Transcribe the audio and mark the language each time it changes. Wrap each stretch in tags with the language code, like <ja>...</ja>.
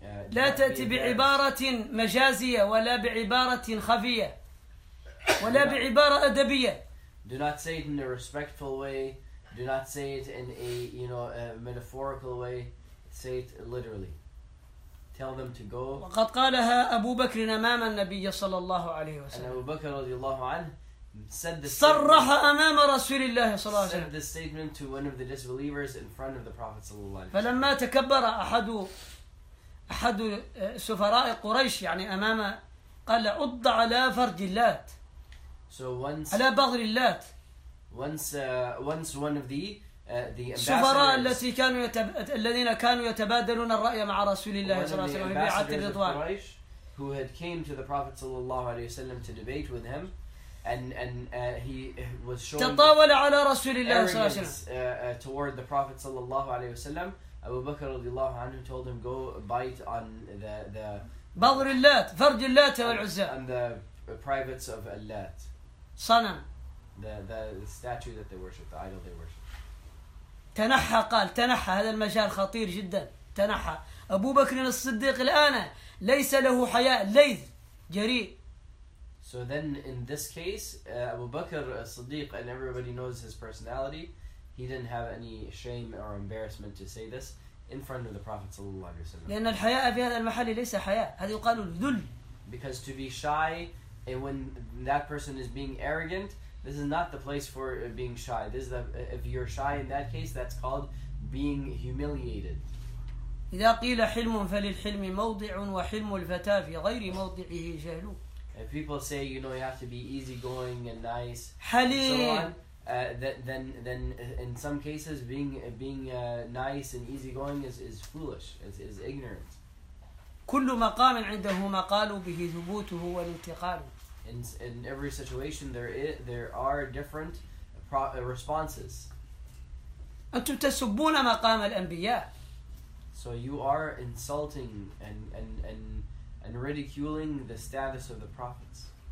<ar>لا تأتي بعبارة مجازية ولا بعبارة خفية ولا بعبارة أدبية.</ar> <en>Do not say it in a respectful way. Do not say it in a, you know, a metaphorical way. Say it literally. Tell them to go.</en> <ar>وقد قالها أبو بكر أمام النبي صلى الله عليه وسلم.</ar> <en>And Abu Bakr</en> <ar>رضي الله عنه</ar> <en>said this.</en> <ar>صرح أمام رسول الله صلى الله عليه وسلم.</ar> <en>Said this statement to one of the disbelievers in front of the Prophet</en> <ar>صلى الله عليه وسلم. فلما تكبر أحد سفراء قريش يعني أمام قال عض على فرج اللات.</ar> <en>So once</en> <ar>على بغر اللات.</ar> <en>Once one of the</en> <ar>السفراء الذين كانوا يتبادلون الرأي مع رسول الله صلى الله عليه وسلم في عهد الرضوان.</ar> <en>Who had came to the Prophet</en> <ar>صلى الله عليه وسلم</ar> <en>to debate with him, and he was showing.</en> <ar>تطاول على رسول الله صلى الله عليه وسلم.</ar> <en>Toward the Prophet</en> <ar>صلى الله عليه وسلم,</ar> <en>Abu Bakr</en> <ar>رضي الله عنه</ar> <en>told him go bite on the</en> <ar>بغر اللات فرج اللات والعزى.</ar> <en>And the privates of اللات.</en> <ar>صنم.</ar> <en>The statue that they worship, the idol they worship.</en> <ar>تنحى قال تنحى هذا المجال خطير جدا تنحى أبو بكر الصديق الآن ليس له حياء ليث جريء.</ar> <en>So then in this case Abu Bakr الصديق and everybody knows his personality, he didn't have any shame or embarrassment to say this in front of the Prophet</en> <ar>صلى الله عليه وسلم. لأن الحياء في هذا المحل ليس حياء هذا يقال الذل.</ar> <en>Because to be shy. And when that person is being arrogant, this is not the place for being shy. This is the, if you're shy in that case, that's called being humiliated.</en> <ar>إذا قيل حلم فللحلم موضع وحلم الفتاة في غير موضعه جهل.</ar> <en>If people say, you know, you have to be easygoing and nice,</en> <ar>حليم.</ar> <en>So on, then in some cases, being nice and easygoing is foolish, is ignorant.</en> <ar>كل مقام عنده مقال به ثبوته والانتقال.</ar> <en>In every situation there are different responses.</en> <ar>أنتم تسبون مقام الأنبياء.</ar> <en>So you are insulting and ridiculing the status of the prophets.</en>